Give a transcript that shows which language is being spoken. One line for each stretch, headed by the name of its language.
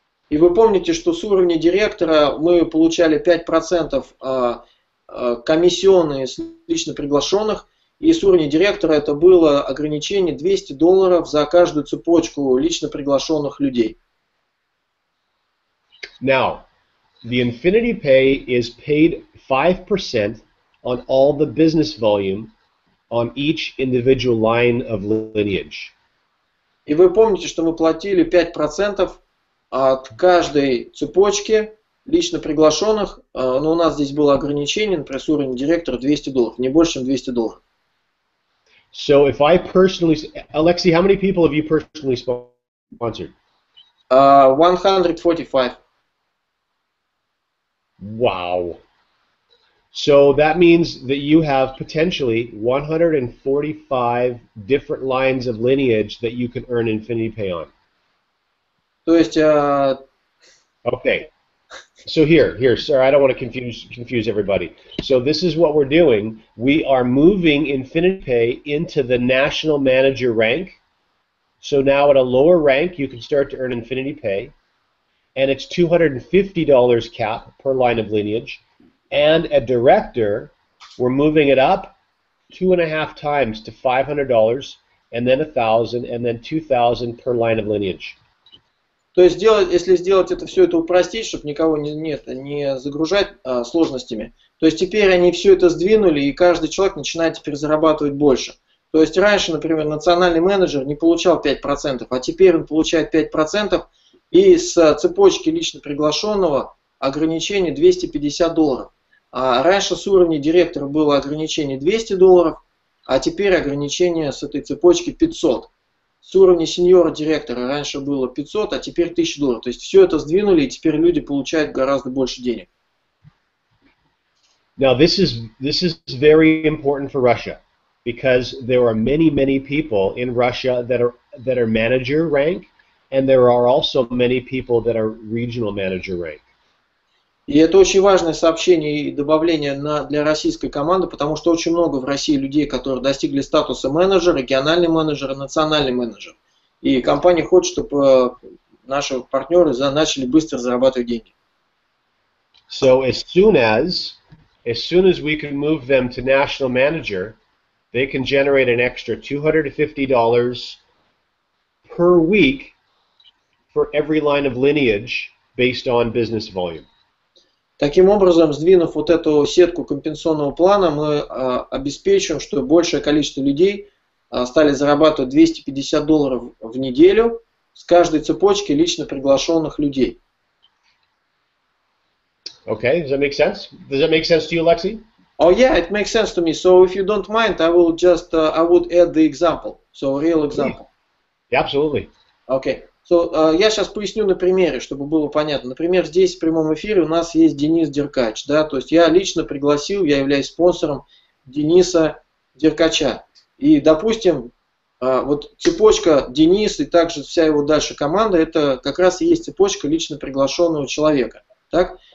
Russian: И вы помните, что с уровня директора мы получали 5% комиссионные с лично приглашенных, и с уровня директора это было ограничение $200 за каждую цепочку лично приглашенных людей.
English: Now, the Infinity Pay is paid 5% on all the business volume on each individual line of lineage.
Russian: И вы помните, что мы платили 5% от каждой цепочки лично приглашенных, но у нас здесь было ограничение, например, уровень директора $200, не больше, чем $200.
English: So if I personally, Alexei, how many people have you personally sponsored? 145. Wow. So that means that you have potentially 145 different lines of lineage that you can earn Infinity Pay on.
Russian: То есть,
English: Okay. So here, sir, I don't want to confuse everybody. So this is what we're doing. We are moving Infinity Pay into the national manager rank. So now at a lower rank, you can start to earn Infinity Pay. And it's $250 cap per line of lineage. And a director, we're moving it up 2.5 times to $500, and then $1,000, and then $2,000 per line of lineage.
Russian: То есть делать, если сделать это все это упростить, чтобы никого не загружать сложностями. То есть теперь они все это сдвинули, и каждый человек начинает теперь зарабатывать больше. То есть раньше, например, национальный менеджер не получал 5%, а теперь он получает 5%, и с цепочки лично приглашенного ограничение $250. А раньше с уровня директора было ограничение $200, а теперь ограничение с этой цепочки 500. С уровня сеньора-директора раньше было 500, а теперь $1000. То есть все это сдвинули, и теперь люди получают гораздо больше денег.
English: Now this is very important for Russia, because there are many, many people in Russia that are manager rank, and there are also many people that are regional manager rank.
Russian: И это очень важное сообщение и добавление для российской команды, потому что очень много в России людей, которые достигли статуса менеджера, региональный менеджер, национальный менеджер. И компания хочет, чтобы наши партнеры начали быстро зарабатывать деньги.
English: So as soon as we can move them to national manager, they can generate an extra $250 per week for every line of lineage based on business volume.
Russian: Таким образом, сдвинув вот эту сетку компенсационного плана, мы обеспечим, что большее количество людей стали зарабатывать $250 в неделю с каждой цепочки лично приглашенных людей.
English: Okay, does that make sense? Does that make sense to you, Alexei? Oh yeah, it makes sense to me. So if you don't mind, I will just I would add the example. So real example. Yeah, absolutely. Okay.
Russian: So, я сейчас поясню на примере, чтобы было понятно. Например, здесь в прямом эфире у нас есть Денис Деркач. Да? То есть я лично пригласил, я являюсь спонсором Дениса Деркача. И, допустим, вот цепочка Денис и также вся его дальше команда, это как раз и есть цепочка лично приглашенного человека. Так?